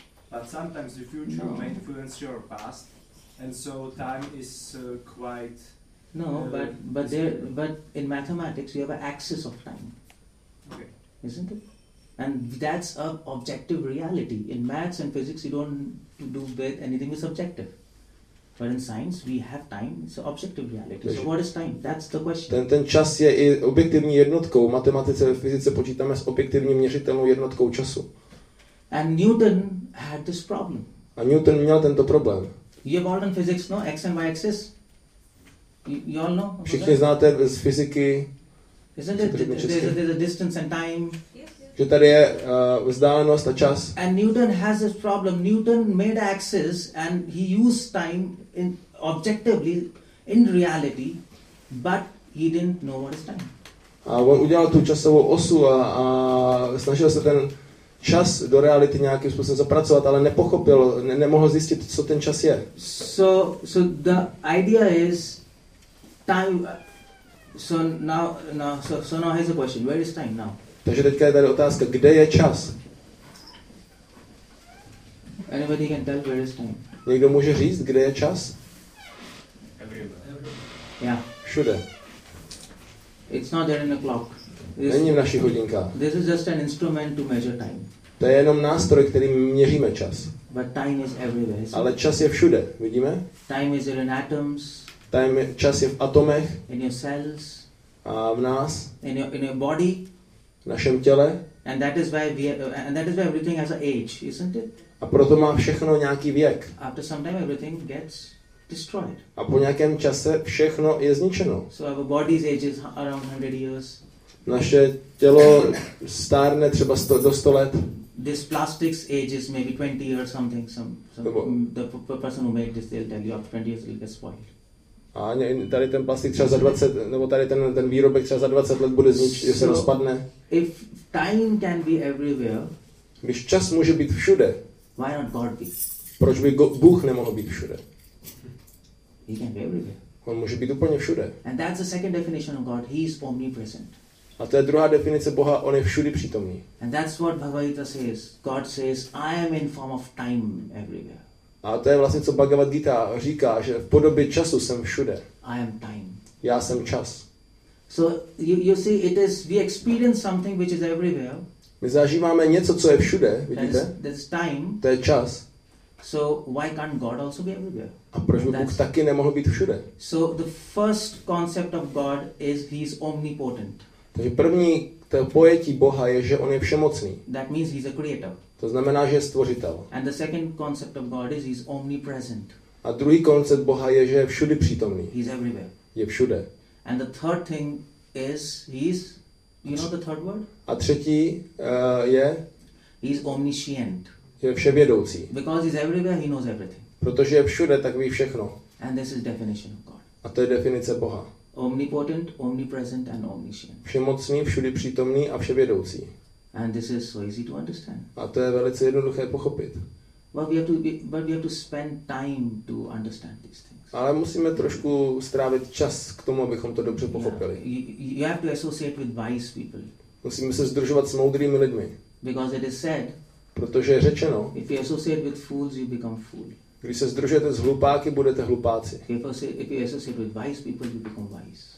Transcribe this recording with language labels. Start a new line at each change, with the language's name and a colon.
English: But sometimes the future may influence your past, and so time is quite. No, but there. But in mathematics, you have an axis of time. Okay. Isn't it? And that's a objective reality. In maths and physics, you don't do with anything with subjective. But in science, we have time. It's an objective reality. So what is time? That's the question.
Czech: Ten čas je i objektivní jednotkou. Matematice a fyzice počítáme s objektivní měřitelnou jednotkou času.
English: And Newton had this problem.
Czech: A Newton měl tento problém.
English: You have all done physics, no? X and Y axis. You all know?
Czech: Všichni znáte z fyziky.
English: Isn't it? There's a distance and time. Yes, yes.
Czech: že tady je vzdálenost a čas.
English: And Newton has this problem. Newton made axis and he used time in objectively in reality, but he didn't know what is time.
Czech: A on udělal tu časovou osu a snažil se ten čas do reality nějakým způsobem zapracovat, ale nepochopil, nemohl zjistit, co ten čas je.
English: So the idea is time. So now here's a question. Where is time now?
Czech: Takže teďka je tady otázka, kde je čas?
English: Anybody can tell where is time?
Czech: Někdo může říct, kde je čas?
English: Everywhere. Yeah.
Czech: Všude.
English: It's not there in the clock.
Czech: This, není v našich hodinkách.
English: This is just an instrument to measure time.
Czech: To je jenom nástroj, kterým měříme čas.
English: But time is everywhere.
Czech: Ale čas je všude, vidíme?
English: Time is in atoms.
Czech: Čas je v atomech.
English: In your cells.
Czech: A v nás.
English: In your body.
Czech: V našem těle.
English: And that is why everything has an age, isn't it?
Czech: A proto má všechno nějaký věk.
English: After some time everything gets destroyed.
Czech: A po nějakém čase všechno je zničeno.
English: So our body's age is around 100 years.
Czech: Naše tělo stárne třeba do 100 let.
English: This plastics ages maybe 20 years something. The person who made this, they'll tell you after 20 years it'll get spoiled.
Czech: A tady ten plastik třeba za 20, nebo tady ten výrobek třeba za 20 let bude zničit, že se rozpadne.
English: If time can be everywhere,
Czech: když čas může být všude,
English: why not God be?
Czech: Proč by Bůh nemohl být všude?
English: He can be everywhere.
Czech: On může být úplně všude.
English: And that's the second definition of God. He is omnipresent.
Czech: A to je druhá definice Boha, on je všudy přítomný.
English: And that's what Bhagavad Gita says. God says, I am in form of time everywhere.
Czech: A to je vlastně, co Bhagavad Gita říká, že v podobě času jsem všude.
English: I am time.
Czech: Já jsem čas.
English: So you see, it is, we experience something which is everywhere.
Czech: My zažíváme něco, co je všude, vidíte?
English: That's time.
Czech: To je čas.
English: So why can't God also be everywhere?
Czech: A proč by Bůh taky nemohl být všude?
English: So the first concept of God is he is omnipotent.
Czech: Takže první to pojetí Boha je, že on je všemocný.
English: That means he is a creator.
Czech: To znamená, že je stvořitel.
English: And the second concept of God is he's omnipresent.
Czech: A druhý koncept Boha je, že je všudy přítomný.
English: He's everywhere.
Czech: Je všude.
English: And the third thing is he's, you know the third word?
Czech: A třetí je?
English: He's omniscient.
Czech: Je vševědoucí.
English: Because he's everywhere, he knows everything.
Czech: Protože je všude, tak ví všechno.
English: And this is definition of God.
Czech: A to je definice Boha.
English: Omnipotent, omnipresent and omniscient.
Czech: Všemocný, všudy přítomný a vševědoucí.
English: And this is so easy to understand.
Czech: A to je velice jednoduché pochopit.
English: But we have to spend time to understand these things.
Czech: Ale musíme trošku strávit čas k tomu, abychom to dobře pochopili.
English: Yeah. You have to associate with wise people.
Czech: Musíme se sdružovat s moudrými lidmi.
English: Because it is said.
Czech: Protože je řečeno.
English: If you associate with fools, you become fool.
Czech: Když se sdružujete s hlupáky, budete hlupáci.
English: If you associate with wise people, you become wise.